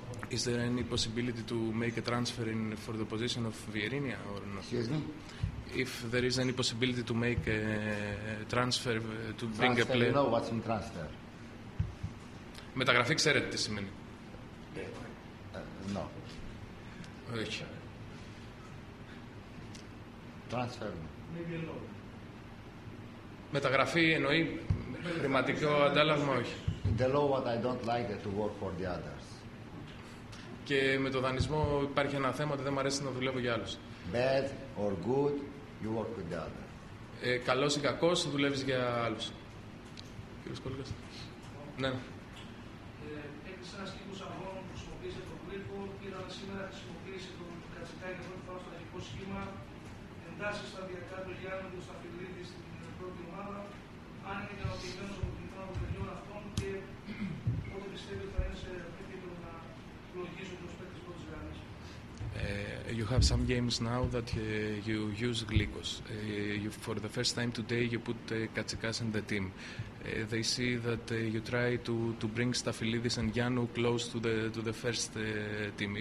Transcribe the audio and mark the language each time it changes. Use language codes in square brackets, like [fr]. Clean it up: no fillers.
[en] Is there any possibility to make a transfer in for the position of Vierinha or not? Excuse me? If there is any possibility to make a transfer to transfer, bring a player. You know what's in transfer. [el] Μεταγραφή, ξέρετε τι σημαίνει? [en] No. [el] Όχι. [en] Transfer. Maybe alone. [el] Μεταγραφή εννοεί χρηματικό αντάλλαγμα, όχι. [en] The law what I don't like to work for the others. [el] Και με το δανεισμό υπάρχει ένα θέμα ότι δεν μου αρέσει να δουλεύω για άλλους. [en] Bad or good, you work with the other. [el] Καλός ή κακός, δουλεύεις για άλλους. Κύριε Σκόλικας. Ναι. Έχεις ένα σκήμος αγώνων που χρησιμοποίησε τον Γκρίκο. Πήραμε σήμερα, χρησιμοποίησε τον Κατσικά για πρώτη φορά στο αρχικό σχήμα. Εντάσσει σταδιακά του Γιάννου και του Σταφυλίδη στην πρώτη ομάδα. Αν είναι ικανοποιημένος από την εικόνα των παιδιών αυτών και πότε πιστεύει ότι θα είναι σε επίπεδο να λογίζουν προς πέκτης πρώτης γραμμής. [en] You have some games now that you use Glikos. For the first time today, you put Katsikas in the team. They see that you try to bring Stafilidis and Yanou close to the first team.